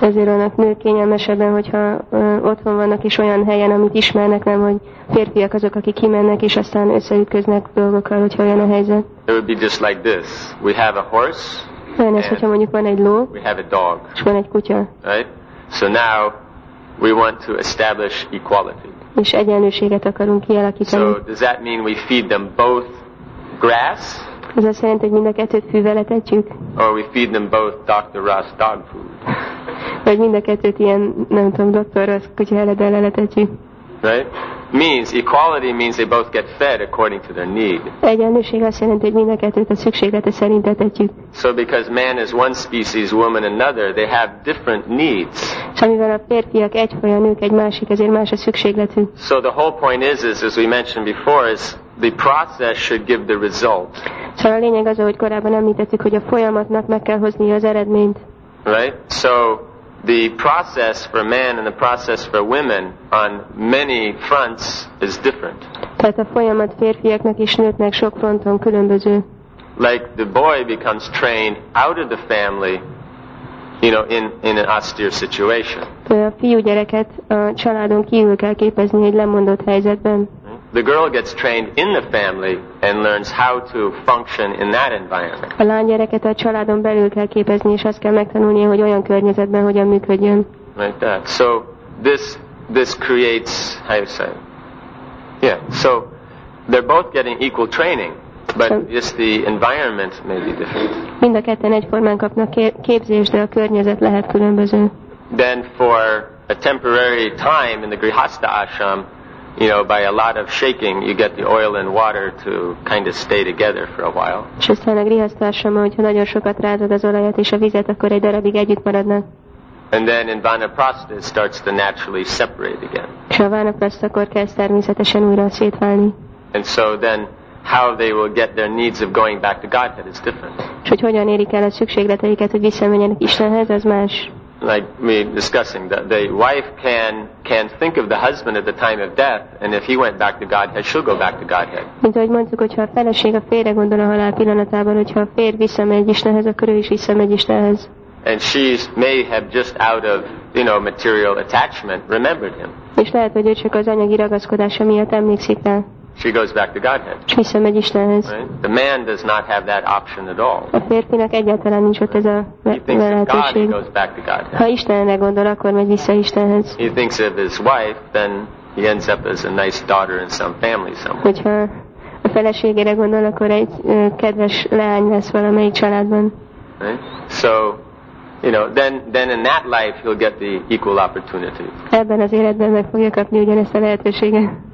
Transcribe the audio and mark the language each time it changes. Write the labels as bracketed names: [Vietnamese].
[Hungarian] Ezért vannak nők kényelmesebben, hogyha otthon vannak és olyan helyen, amit ismernek, nem, hogy férfiak azok, akik kimennek és aztán összeütköznek dolgokkal, hogyha olyan a helyzet. [English] It would be just like this. We have a horse. [Hungarian] Olyan ez, hogyha mondjuk van egy ló, [English] we have a dog. [Hungarian] És van egy kutya. [English] Right? So now we want to establish equality. [Hungarian] És egyenlőséget akarunk kialakítani. [English] So does that mean we feed them both grass? [Hungarian] Ez azt jelenti, hogy mind a kettőt fűvel etetjük? [English] Or we feed them both Dr. Ross dog food? [Hungarian] Vagy mind a kettőt ilyen, nem tudom, Dr. Ross kutya eledellel etetjük? [English] Right? Means equality means they both get fed according to their need. [Hungarian] Egyenlőség azt jelenti, hogy mind a kettőt a szükséglete szerint etetjük. [English] So because man is one species, woman another, they have different needs. [Hungarian] És amivel a férfiak egyfaj, a nők egy másik, ezért más a szükségletük. [English] So the whole point is, as we mentioned before, is the process should give the result. [Hungarian] Szóval a lényeg az, hogy korábban említettük, hogy a folyamatnak meg kell hozni az eredményt. [English] Right? So the process for men and the process for women on many fronts is different. [Hungarian] Tehát a folyamat férfiaknak és nőknek sok fronton különböző. [English] Like the boy becomes trained out of the family, you know, in an austere situation. [Hungarian] A fiú gyereket a családon kívül kell képezni egy lemondott helyzetben. [English] The girl gets trained in the family and learns how to function in that environment. [Hungarian] A lány gyereket a családon belül kell képezni, és azt kell megtanulnia, hogy olyan környezetben hogyan működjön. [English] Like that. So this creates, how you say? Yeah. So they're both getting equal training, but just the environment may be different. [Hungarian] Mind a ketten egyformán kapnak képzést, de a környezet lehet különböző. [English] Then for a temporary time in the Grihastha ashram, you know, by a lot of shaking, you get the oil and water to kind of stay together for a while. [Hungarian] És aztán a grihasztásomban, hogyha nagyon sokat rázod az olajat és a vizet, akkor egy darabig együtt maradnak. [English] And then in vanaprastha, it starts to naturally separate again. [Hungarian] És a vanaprasthakor kezd természetesen újra szétválni. [English] And so then, how they will get their needs of going back to Godhead is different. [Hungarian] És hogy hogyan érik el a szükségleteiket, hogy visszamenjenek Istenhez, az más. [English] Like we discussing, the wife can think of the husband at the time of death, and if he went back to Godhead, she'll go back to Godhead. [Hungarian] Mint ahogy mondtuk, hogyha a feleség a férjre gondol a halál pillanatában, hogyha a férj visszamegy Istenhez, akkor ő is visszamegy Istenhez. [English] And she may have just out of, you know, material attachment remembered him. [Hungarian] És lehet, hogy ő csak az anyagi ragaszkodása miatt emlékszik rá. [English] She goes back to Godhead. [Hungarian] És visszamegy Istenhez. [English] The man does not have that option at all. [Hungarian] A férfinak egyáltalán nincs ott ez a lehetőség. Ha Istenre gondol, akkor megy vissza Istenhez. [English] He thinks of his wife, then he ends up as a nice daughter in some family somewhere. [Hungarian] Hogyha a feleségére gondol, akkor egy kedves leány lesz valamelyik családban. [English] So, you know, then in that life he'll get the equal opportunity. [Hungarian] Ebben az életben meg fogja kapni ugyanezt a lehetőséget.